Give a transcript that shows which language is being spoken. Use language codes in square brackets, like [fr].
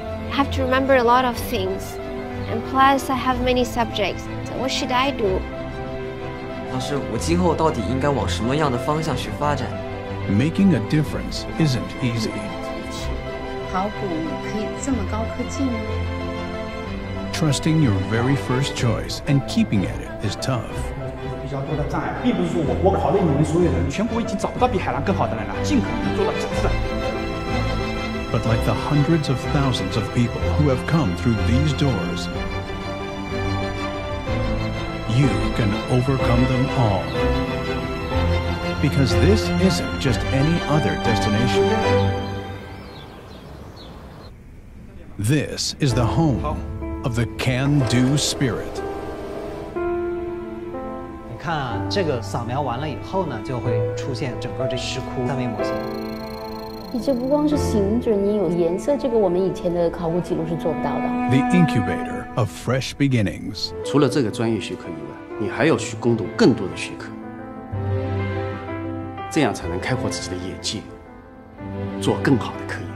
[en] I have to remember a lot of things, and plus I have many subjects. So what should I do? [zh] 老师，我今后到底应该往什么样的方向去发展？ [en] Making a difference isn't easy. [zh] 考古可以这么高科技吗？ [en] Trusting your very first choice and keeping at it is tough. [zh] 比较多的障碍，并不是说我考虑你们所有人，全国已经找不到比海南更好的人了，尽可能做到极致。 [en] But like the hundreds of thousands of people who have come through these doors, you can overcome them all. Because this isn't just any other destination. This is the home of the can-do spirit. [zh] 看啊，这个扫描完了以后呢，就会出现整个这石窟三维模型。你这不光是形制，你有颜色，这个我们以前的考古记录是做不到的。 [en] The incubator of fresh beginnings。 [zh] 除了这个专业学科以外，你还要去攻读更多的学科，这样才能开阔自己的眼界，做更好的科研。